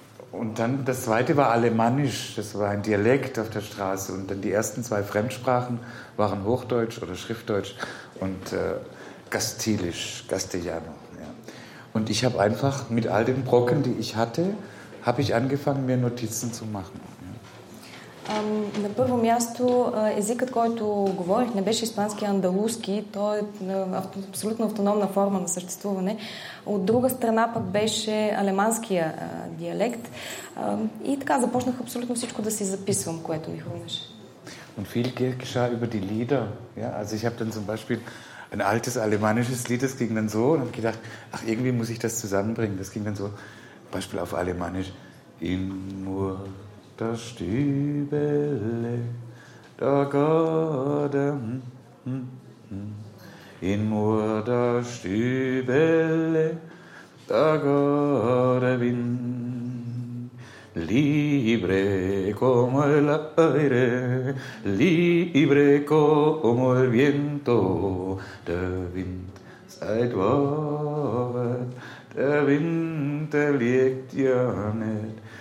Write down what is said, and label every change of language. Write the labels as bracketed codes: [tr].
[de] Und dann das zweite war Alemannisch, das war ein Dialekt auf der Straße. Und dann die ersten zwei Fremdsprachen waren Hochdeutsch oder Schriftdeutsch und Kastilisch, Castellano. Ja. Und ich habe einfach mit all den Brocken, die ich hatte, habe ich angefangen, mir Notizen zu machen. [bg] На първо място, езикът, който говорих, не беше испански, а андалузки. Той е абсолютно автономна форма на съществуване. От друга страна пък беше алеманския диалект. И така започнах абсолютно всичко да си записвам, което ми хрумваше. [de] Und viel geschah über die Lieder. Ja, also ich habe dann zum Beispiel ein altes alemannisches Lied, das ging dann so und habe gedacht, ach, irgendwie muss ich das zusammenbringen. Das ging dann so, zum Beispiel auf alemannisch, in Mur. Das Stübele, da Gordem, in Mur das Stübele, da Gordem, [es] libre como el aire, libre como el viento, [de] der Wind seit Wort, der Wind liegt ja nicht.